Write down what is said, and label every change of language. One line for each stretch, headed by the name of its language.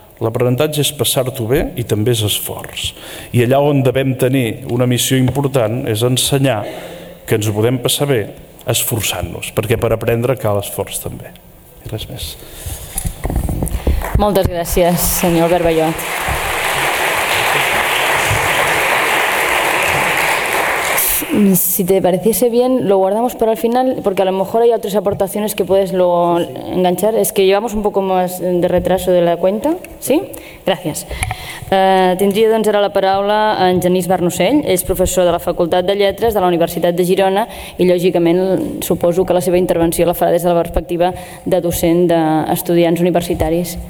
Catalan: L'aprenentatge és passar-t'ho bé i també és esforç. I allà on devem tenir una missió important és ensenyar que ens ho podem passar bé esforçant-nos, perquè per aprendre cal esforç també. I res més. Moltes gràcies, senyor Berbellot.
Spanish: Si te pareciese bien, lo guardamos para el final, porque a lo mejor hay otras aportaciones que puedes luego enganchar. Es que llevamos un poco más de retraso de la cuenta. ¿Sí? Gracias.
Catalan: Tindria doncs ara la paraula en Genís Barnosell, és professor de la Facultat de Lletres de la Universitat de Girona i lògicament suposo que la seva intervenció la farà des de la perspectiva de docent d'estudiants universitaris.